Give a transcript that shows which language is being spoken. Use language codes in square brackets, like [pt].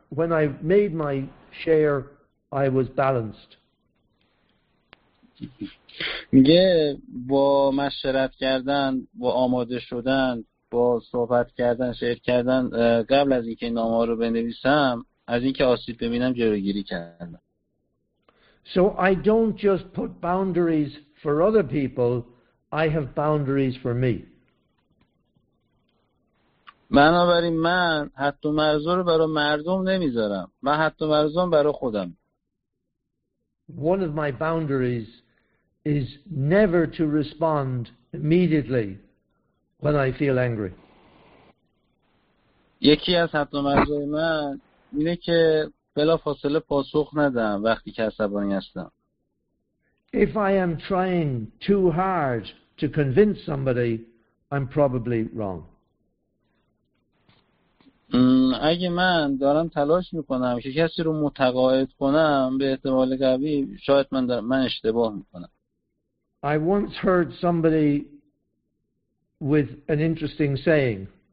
[en] When I made my share, I was balanced. [fa] میگه با مشورت کردن، با آماده شدن، با صحبت کردن، شعر کردن قبل از اینکه نامه رو بنویسم، از اینکه آسیب ببینم جلوگیری کردم. [en] So I don't just put boundaries for other people, I have boundaries for me. [fa] بنابراین من حد و مرزا رو برای مردم نمیذارم، من حد و مرزام برای خودم. [en] One of my boundaries is never to respond immediately when I feel angry. [fa] یکی از حد و مرزای من اینه که بلافاصله پاسخ ندم وقتی که عصبانی هستم. [en] If I am trying too hard to convince somebody, I'm probably wrong. [fa] اگه من دارم تلاش میکنم که کسی رو متقاعد کنم، به احتمال قوی شاید من اشتباه میکنم. [en] I once heard somebody with an interesting saying.